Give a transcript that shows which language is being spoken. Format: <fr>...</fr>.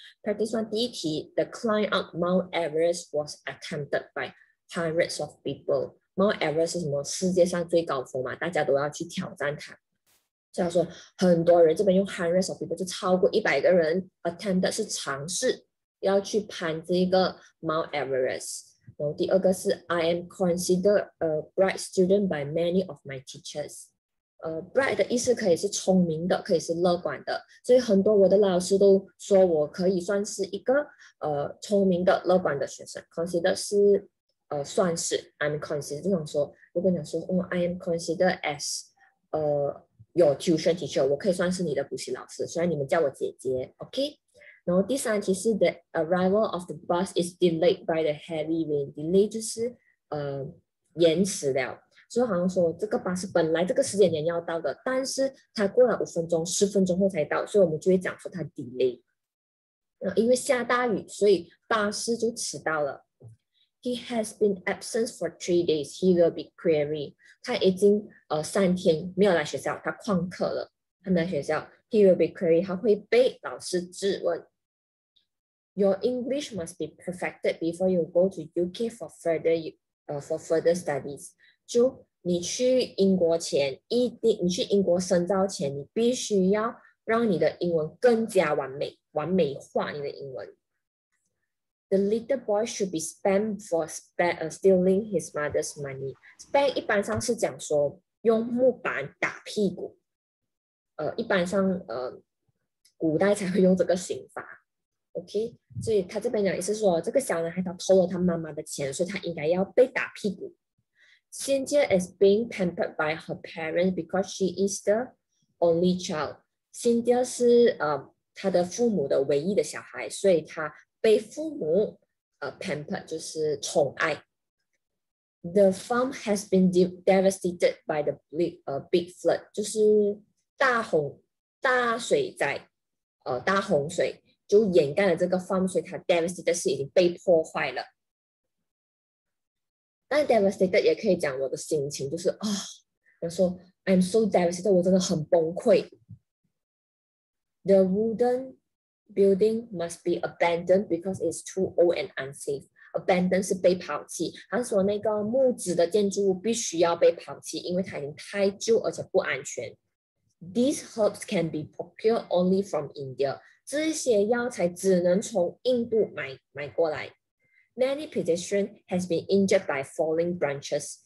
<en>practice one</en> <zh>第一题</zh> <en>，The climb up Mount Everest was attempted by hundreds of people。</en> <zh>Mount Everest 是什么？世界上最高峰嘛，大家都要去挑战它。所以他说很多人，这边用</zh> <en>hundreds of people</en> <zh>就超过100个人 attempted 是尝试要去攀这个 Mount Everest。然后第二个是</zh> <en>I am considered a bright student by many of my teachers。</en> <zh>Bright 的意思可以是聪明的，可以是乐观的，所以很多我的老师都说我可以算是一个聪明的乐观的学生。 Considered 是算是 I'm considered 这种说，如果你说</zh> <en>I am considered as your tuition teacher，</en> <zh>我可以算是你的补习老师，虽然你们叫我姐姐。</zh> <en>OK，</en> <zh>然后第三题是</zh> <en>The arrival of the bus is delayed by the heavy rain。</en> <zh>Delay 就是延迟了，所以好像说这个巴士本来这个时间点要到的，但是它过了五分钟十分钟后才到，所以我们就会讲说它 delay。因为下大雨所以巴士就迟到了。</zh> <en>He has been absent for 3 days. He will be queried.</en> <zh>他已经三天没有来学校，他旷课了，他没来学校。</zh> <en>He will be queried.</en> <zh>他会被老师质问。</zh> <en>Your English must be perfected before you go to UK for further studies.</en> <zh>就你去英国前，一定你去英国深造前，你必须要让你的英文更加完美，完美化你的英文。</zh> <en>The little boy should be spanked for stealing his mother's money.</en> <zh>Spank 一般上是讲说用木板打屁股，一般上古代才会用这个刑罚。 OK， 所以他这边讲意思说，这个小男孩他偷了他妈妈的钱，所以他应该要被打屁股。</zh> <en>Cynthia is being pampered by her parents because she is the only child.</en> <zh>Cynthia 是他的父母的唯一的小孩，所以他被父母pampered 就是宠爱。</zh> <en>The farm has been devastated by the big flood，</en> <zh>就是大洪水就掩盖了这个 farm， 所以它 devastated 是已经被破坏了。但 devastated 也可以讲我的心情就是我说</zh> <en>I'm so devastated，</en> <zh>我真的很崩溃。</zh> <en>The woodenbuilding must be abandoned because it's too old and unsafe.</en> <zh>Abandoned 是被抛弃，他说那个木质的建筑物必须要被抛弃，因为它已经太旧而且不安全。</zh> <en>These herbs can be procured only from India.</en> <zh>这些药材只能从印度 买过来。</zh> <en>Many pedestrians have been injured by falling branches.</en>